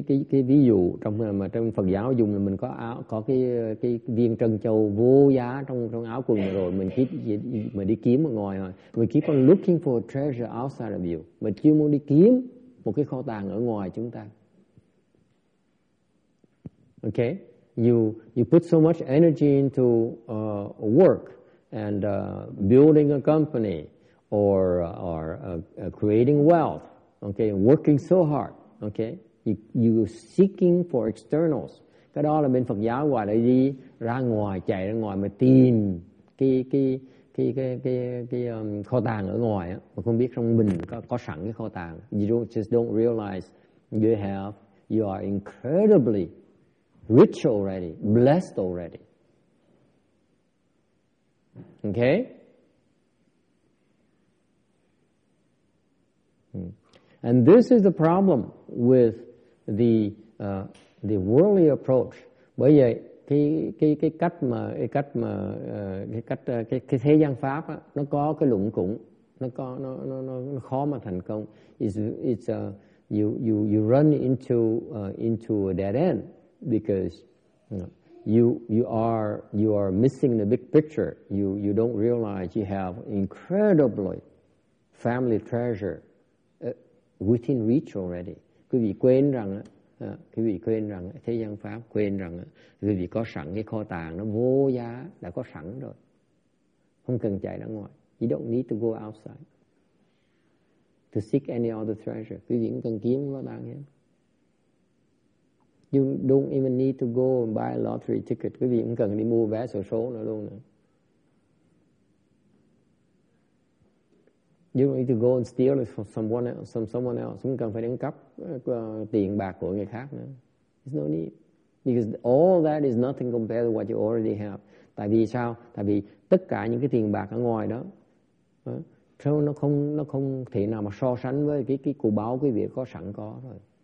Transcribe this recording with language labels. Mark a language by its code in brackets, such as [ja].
[vi] Cái ví dụ trong Phật giáo dùng là mình có áo, có cái viên trân châu vô giá trong áo quần rồi, mình đi kiếm ở ngoài rồi. [en] We keep on looking for a treasure outside of you. [vi] Mình chưa muốn đi kiếm một cái kho tàng ở ngoài chúng ta. [en] Okay, you put so much energy into work. And building a company, or creating wealth, okay, working so hard, okay, you seeking for externals. [vi] Cái đó là bên Phật giáo gọi là đi ra ngoài, chạy ra ngoài mà tìm cái kho tàng ở ngoài á, mà không biết trong mình có sẵn cái kho tàng. [en] You just don't realize you are incredibly rich already, blessed already. Okay? And this is the problem with the worldly approach. [vi] Bởi vậy cái thế gian pháp á, nó có cái lủng củng, nó khó mà thành công. [en] It's you run into a dead end because you are missing the big picture. You don't realize you have incredibly family treasure within reach already. [vi] Quý vị quên rằng quý vị quên rằng thế gian pháp, quên rằng quý vị có sẵn cái kho tàng nó vô giá, đã có sẵn rồi, không cần chạy ra ngoài. [en] You don't need to go outside to seek any other treasure. [vi] Quý vị cũng cần kiếm kho tàng nhé. [en] You don't even need to go and buy a lottery ticket. [vi] Quý vị cũng cần đi mua vé xổ số nữa luôn nữa. [en] You don't need to go and steal it from someone else. [vi] Không cần phải đánh cắp tiền bạc của người khác nữa. [en] There's no need. Because all that is nothing compared to what you already have. [vi] Tại vì sao? Tại vì tất cả những cái tiền bạc ở ngoài đó, nó không thể nào mà so sánh với cái cụ báo quý vị có sẵn có rồi.